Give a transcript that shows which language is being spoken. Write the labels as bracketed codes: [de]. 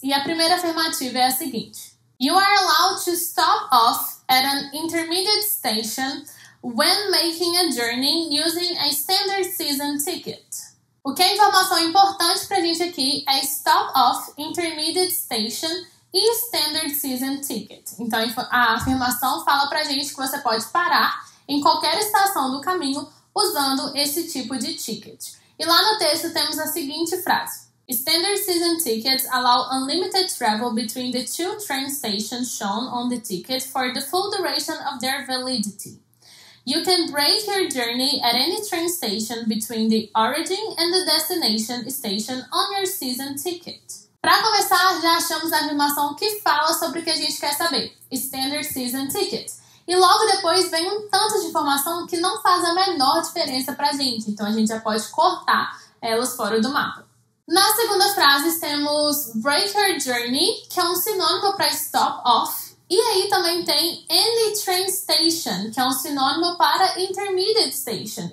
[pt] E a primeira afirmativa é a seguinte: [en] You are allowed to stop off at an intermediate station when making a journey using a standard season ticket. [pt] O que é informação importante para a gente aqui é stop off, intermediate station e standard season ticket. Então, a afirmação fala para a gente que você pode parar em qualquer estação do caminho usando esse tipo de ticket. E lá no texto temos a seguinte frase: [en] Standard season tickets allow unlimited travel between the two train stations shown on the ticket for the full duration of their validity. You can break your journey at any train station between the origin and the destination station on your season ticket. [pt] Para começar, já achamos a afirmação que fala sobre o que a gente quer saber: Standard season ticket. E logo depois vem um tanto de informação que não faz a menor diferença para a gente, então a gente já pode cortar elas fora do mapa. Na segunda frase temos [en] break your journey, [pt] que é um sinônimo para stop off, e aí também tem [en] any train station, [pt] que é um sinônimo para intermediate station.